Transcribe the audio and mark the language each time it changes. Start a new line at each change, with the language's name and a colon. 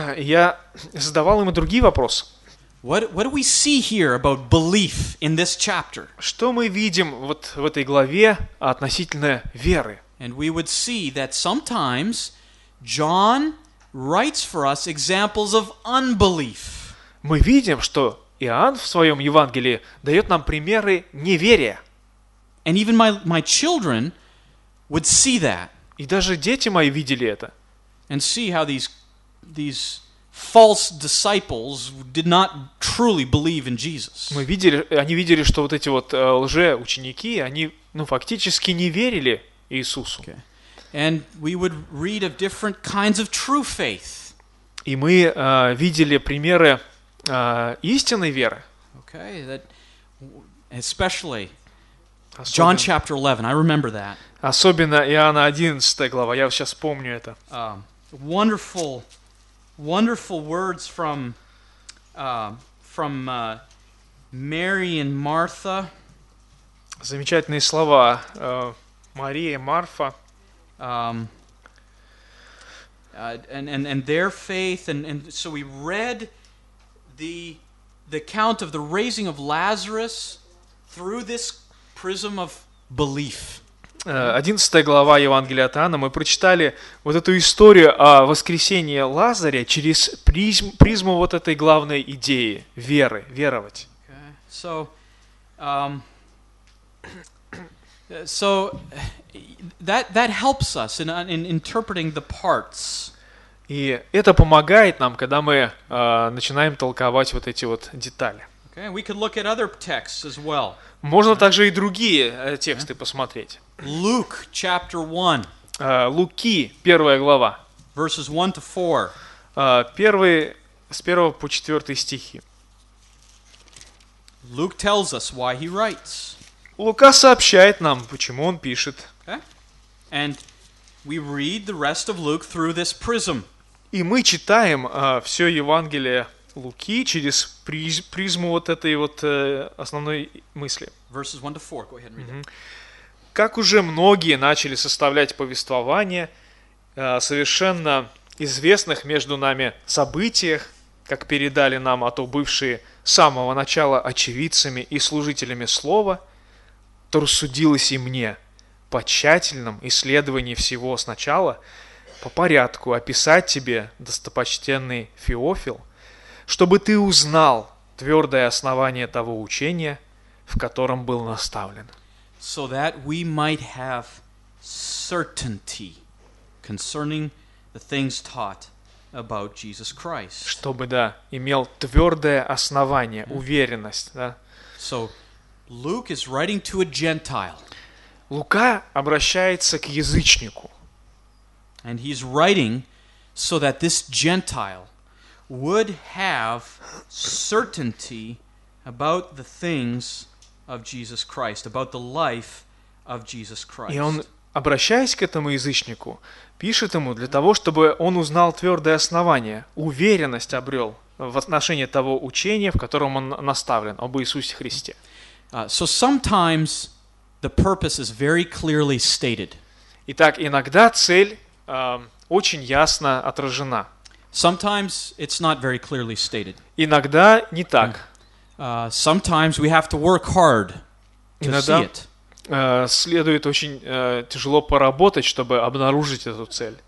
Russian: Я задавал им другие вопросы.
English: What do we see here about belief in this chapter?
Russian: Что мы видим вот в этой главе относительно веры?
English: And we would see that sometimes John writes for us examples of unbelief.
Russian: Мы видим, что Иоанн в своем Евангелии дает нам примеры неверия.
English: And even my children would see that.
Russian: И даже дети мои видели это.
English: And see how these false disciples did not truly believe in Jesus.
Russian: Мы видели, они видели, что вот эти вот лжеученики, они, ну, фактически не верили Иисусу.
English: Okay. And we would read of different kinds of true faith.
Russian: И мы видели примеры истинной веры.
English: Okay, that especially
Russian: особенно,
English: John chapter 11. I remember that.
Russian: Особенно Иоанна 11 глава. Я сейчас помню это.
English: Wonderful. Wonderful words from Mary and Martha.
Russian: Замечательные слова Мария и Марфа.
English: And their faith, and so we read the account of the raising of Lazarus through this prism of belief.
Russian: 11 глава Евангелия от Иоанна, мы прочитали вот эту историю о воскресении Лазаря через призму вот этой главной идеи – веры, веровать.
English: Okay. So that helps us in interpreting the parts.
Russian: И это помогает нам, когда мы начинаем толковать вот эти вот детали.
English: Okay. We could look at other texts as well.
Russian: Можно также и другие тексты посмотреть.
English: Luke chapter 1.
Russian: Луки, первая глава.
English: Verses 1 to 4.
Russian: С первого по четвертый стихи.
English: Luke tells us why he writes.
Russian: Лука сообщает нам, почему он пишет.
English: Okay. And we read the rest of Luke through this prism.
Russian: И мы читаем все Евангелие Луки через призму вот этой вот основной мысли.
English: Verses 1 to 4. Go ahead and read it.
Russian: Как уже многие начали составлять повествование о совершенно известных между нами событиях, как передали нам о то бывшие с самого начала очевидцами и служителями слова, то рассудилось и мне по тщательном исследовании всего сначала по порядку описать тебе, достопочтенный Феофил, чтобы ты узнал твердое основание того учения, в котором был наставлен.
English: So that we might have certainty concerning the things taught about Jesus Christ.
Russian: Чтобы, да, имел твердое основание, уверенность, да.
English: So Luke is writing to a Gentile.
Russian: Лука обращается к язычнику.
English: And he's writing so that this Gentile would have certainty about the things of Jesus Christ, about the life of Jesus Christ.
Russian: И он, обращаясь к этому язычнику, пишет ему для того, чтобы он узнал твердое основание, уверенность обрел в отношении того учения, в котором он наставлен, об Иисусе Христе.
English: So sometimes the purpose is very clearly stated.
Russian: Итак, иногда цель очень ясно отражена.
English: Sometimes it's not very clearly stated.
Russian: Иногда не так.
English: Sometimes we have to work hard to
Russian: иногда,
English: see it.
Russian: Следует очень тяжело поработать, чтобы обнаружить эту цель.